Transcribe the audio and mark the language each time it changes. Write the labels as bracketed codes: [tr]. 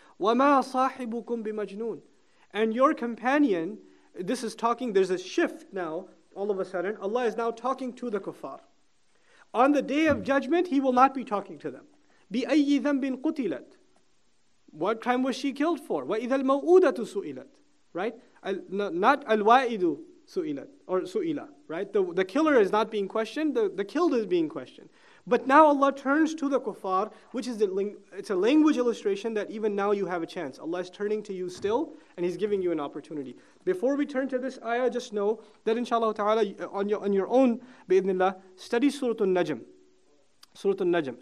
[ar] وَمَا صَاحِبُكُمْ بِمَجْنُونَ [en] And your companion, this is talking, there's a shift now, all of a sudden, Allah is now talking to the kuffar. On the day of judgment, he will not be talking to them. [ar] بِأَيِّ ذَنْبٍ قُتِلَتْ [en] What crime was she killed for? [ar] وَإِذَا الْمَوْءُودَةُ سُئِلَتْ [en] Right? Not [ar] الْوَائِدُ سُئِلَتْ [en] Or [ar] سُئِلَ [en] Right? The killer is not being questioned, the killed is being questioned. But now Allah turns to the kuffar, which is it's a language illustration that even now you have a chance. Allah is turning to you still, and He's giving you an opportunity. Before we turn to this ayah, just know that inshallah ta'ala, on your own, bi'idhnillah, study Surah An-Najm. Surah An-Najm.